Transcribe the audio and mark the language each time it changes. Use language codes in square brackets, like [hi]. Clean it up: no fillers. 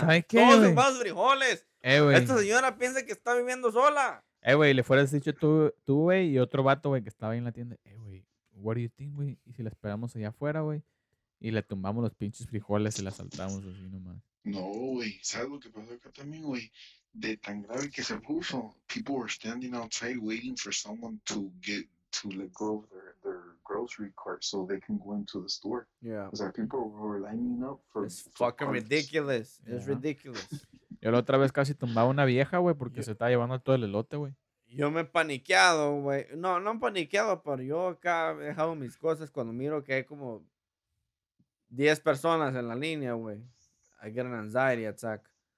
[es] ¿Sabes qué, todos ocupamos frijoles. Esta señora piensa que está viviendo sola. Güey, le fueras dicho tú, güey, y otro vato, güey, que estaba ahí en la tienda. Güey, [en] what do you think, [es] güey? Y si la esperamos allá afuera, güey. Y le tumbamos los pinches frijoles y la saltamos así nomás. No, güey. ¿Sabes lo que pasó acá también, güey? De tan grave que se puso. [en] People were standing outside waiting for someone to let go of their grocery cart so they can go into the store. Yeah. [es] O sea, [en] people were lining up for... It's fucking carts. Ridiculous. It's yeah. Ridiculous. [es] Yo la otra vez casi tumbaba una vieja, güey, porque se estaba llevando todo el elote, güey. Yo me he paniqueado, güey. No he paniqueado, pero yo acá he dejado mis cosas cuando miro que hay como... 10 personas en la línea, güey. [en] I get an anxiety attack.